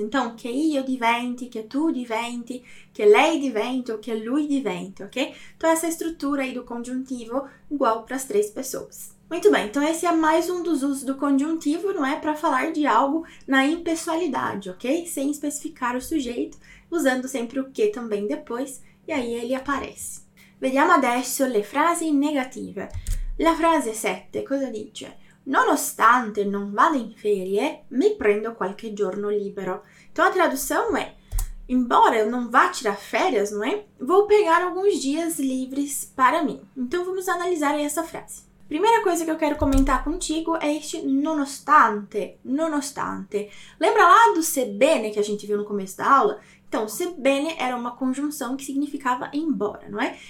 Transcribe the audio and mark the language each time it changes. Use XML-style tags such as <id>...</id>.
<pt>Então, que</pt> <it>io diventi,</it> <pt>que</pt> <it>tu diventi,</it> <pt>que</pt> <it>lei diventi</it> <pt>ou que</pt> <it>lui diventi,</it> <pt>ok? Então, essa estrutura aí do conjuntivo igual para as três pessoas. Muito bem, então esse é mais um dos usos do conjuntivo, não é? Para falar de algo na impessoalidade, ok? Sem especificar o sujeito, usando sempre o que também depois, e aí ele aparece.</pt> <it>Vediamo adesso le frasi negative. La frase 7, cosa dice? Nonostante non vada in ferie, mi prendo qualche giorno libero.</it> <pt>Então a tradução é, embora eu não vá tirar férias, não é? Vou pegar alguns dias livres para mim. Então vamos analisar aí essa frase. Primeira coisa que eu quero comentar contigo é este nonostante, nonostante. Lembra lá do sebbene que a gente viu no começo da aula? Então, sebbene era uma conjunção que significava embora, não é?</pt>